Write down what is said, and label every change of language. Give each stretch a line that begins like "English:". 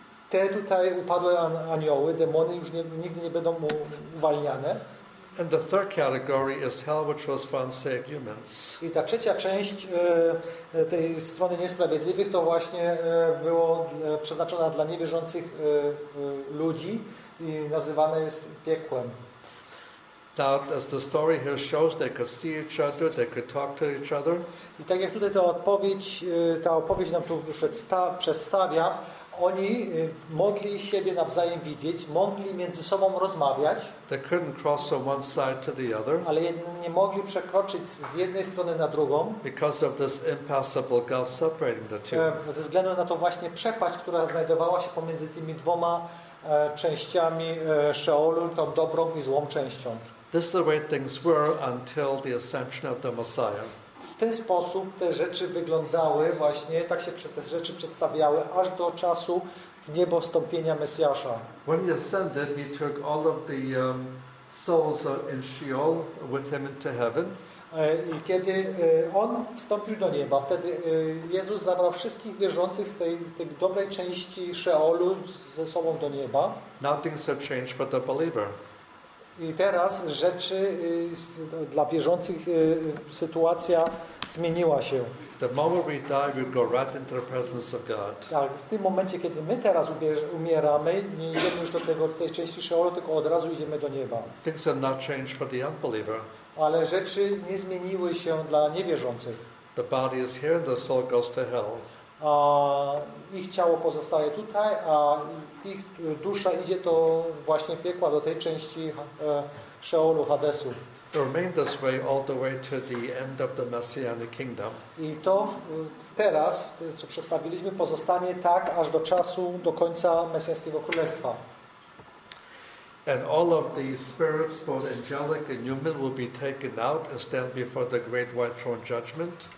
Polish: Te tutaj upadłe anioły, demony już nigdy nie będą uwalniane.
English: And the third category is hell, which was for unsaved humans.
Polish: I ta trzecia część tej strony niesprawiedliwych to właśnie było przeznaczona dla niewierzących ludzi i nazywane jest piekłem.
English: Now, as the story here shows, they could see each other, they could talk to each other.
Polish: I tak jak tutaj ta opowieść nam tu przedstawia, oni mogli siebie nawzajem widzieć, mogli między sobą rozmawiać,
English: they couldn't cross from one side to the other,
Polish: ale nie mogli przekroczyć z jednej strony na drugą,
English: because of this impassable gulf separating the two.
Polish: Ze względu na tą właśnie przepaść, która znajdowała się pomiędzy tymi dwoma częściami Szeolu, tą dobrą i złą częścią.
English: This is the way things were until the ascension of the Messiah.
Polish: W ten sposób te rzeczy wyglądały właśnie, tak się te rzeczy przedstawiały aż do czasu w niebo wstąpienia Mesjasza.
English: When he ascended, he took all of the souls in Sheol with him into heaven.
Polish: I kiedy on wstąpił do nieba, wtedy Jezus zabrał wszystkich wierzących z tej dobrej części Szeolu ze sobą do nieba.
English: Now things have changed for the believer.
Polish: I teraz rzeczy dla wierzących, sytuacja zmieniła się.
English: The moment we die, we go right into the presence of God.
Polish: Tak, w tym momencie, kiedy my teraz umieramy, nie idziemy już do tej części Szeolu, tylko od razu idziemy do nieba.
English: Things have not changed for the unbeliever.
Polish: Ale rzeczy nie zmieniły się dla niewierzących.
English: The body is here, the soul goes to hell.
Polish: A ich ciało pozostaje tutaj, a ich dusza idzie do właśnie piekła, do tej części Szeolu, Hadesu.
English: Remained this way all the way to the end of the Messianic kingdom.
Polish: I to teraz, co przedstawiliśmy, pozostanie tak aż do czasu, do końca Mesjańskiego Królestwa.
English: And all of the spirits, both angelic and human, will be taken out and stand before the great white throne judgment.